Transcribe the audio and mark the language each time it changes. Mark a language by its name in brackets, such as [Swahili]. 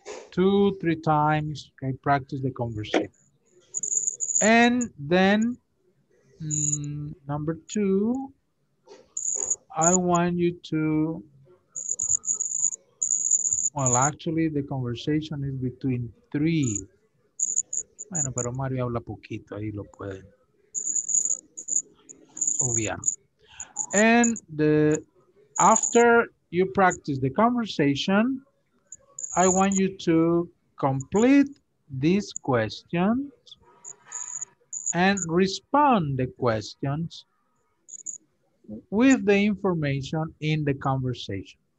[English] 2-3 times, okay, practice the conversation. And then number two, I want you to, well, actually the conversation is between three. [Spanish] Bueno, pero Mario habla poquito, ahí lo puede obviar. [English] And the, after you practice the conversation, I want you to complete these questions and respond the questions with the information in the conversation.